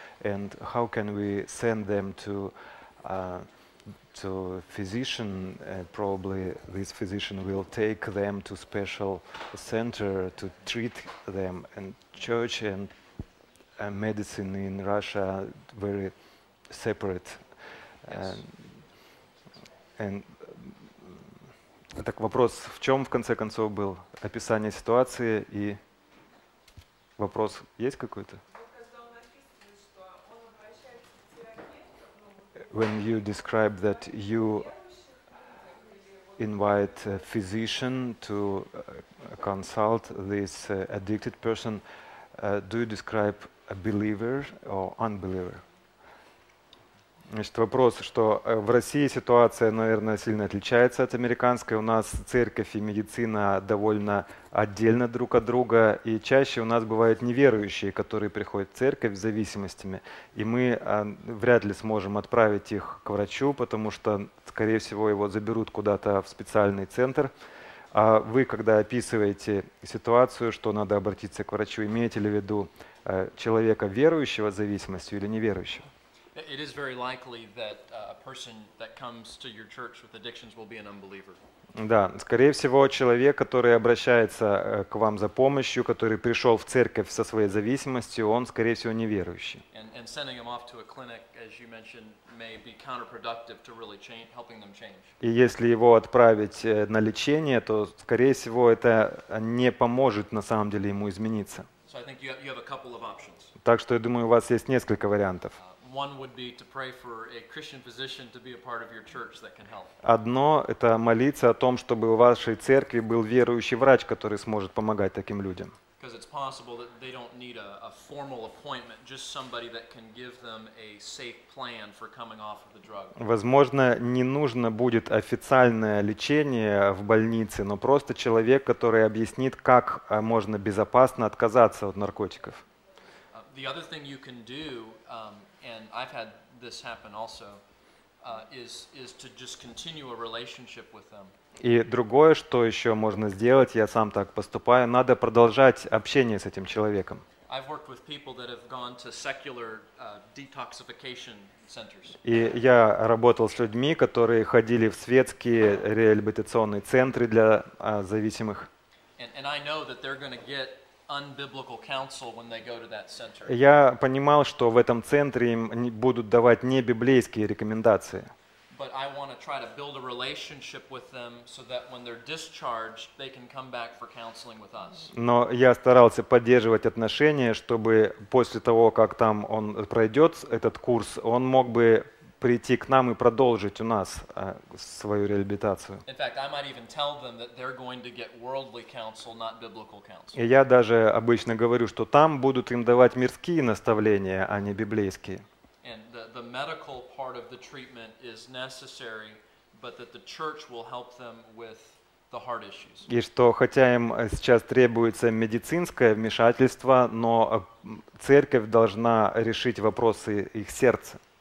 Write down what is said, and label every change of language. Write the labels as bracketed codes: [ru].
[en] And how can we send them to physician? Probably this physician will take them to special center to treat them. And church and medicine in Russia very separate. Yes. [ru] And так вопрос в чем в конце концов был? Описание ситуации и вопрос есть какой-то? [en] When you describe that you invite a physician to consult this addicted person, do you describe a believer or unbeliever? [ru] Значит, вопрос, что в России ситуация, наверное, сильно отличается от американской. У нас церковь и медицина довольно отдельно друг от друга. И чаще у нас бывают неверующие, которые приходят в церковь с зависимостями. И мы вряд ли сможем отправить их к врачу, потому что, скорее всего, его заберут куда-то в специальный центр. А вы, когда описываете ситуацию, что надо обратиться к врачу, имеете ли в виду человека верующего с зависимостью или неверующего? [en] It is very likely that a person that comes to your church with addictions will be an unbeliever. [ru] Да, скорее всего, человек, который обращается к вам за помощью, который пришел в церковь со своей зависимостью, он, скорее всего, неверующий. [en] And sending him off to a clinic, as you mentioned, may be counterproductive to really helping them change. [ru] И если его отправить на лечение, то, скорее всего, это не поможет на самом деле ему измениться. [en] So I think you have a couple of options. [ru] Так что я думаю, у вас есть несколько вариантов. [en] One would be to pray for a Christian physician to be a part of your church that can help. [ru] Одно – это молиться о том, чтобы в вашей церкви был верующий врач, который сможет помогать таким людям. [en] Because it's possible that they don't need a formal appointment, just somebody that can give them a safe plan for coming off of the drug. [ru] Возможно, не нужно будет официальное лечение в больнице, но просто человек, который объяснит, как можно безопасно отказаться от наркотиков. [en] The other thing you can do, and I've had this happen also, is to just continue a relationship with them. [ru] И другое, что еще можно сделать, я сам так поступаю, надо продолжать общение с этим человеком. [en] I've worked with people that have gone to secular detoxification centers. [ru] И я работал с людьми, которые ходили в светские реабилитационные центры для зависимых. [en] And I know that they're going to get unbiblical counsel when they go to that center. [ru] Я понимал, что в этом центре им будут давать не библейские рекомендации. [en] But I want to try to build a relationship with them so that when they're discharged, they can come back for counseling with us. [ru] Но я старался поддерживать отношения, чтобы после того, как там он пройдет этот курс, он мог бы прийти к нам и продолжить у нас свою реабилитацию. [en] In fact, I might even tell them that they're going to get worldly counsel, not biblical counsel. [ru] И я даже обычно говорю, что там будут им давать мирские наставления, а не библейские. [en] And the medical part of the treatment is necessary, but that the church will help them with the heart issues. [ru] И что, хотя им сейчас требуется медицинское вмешательство, но церковь должна решить вопросы их сердца.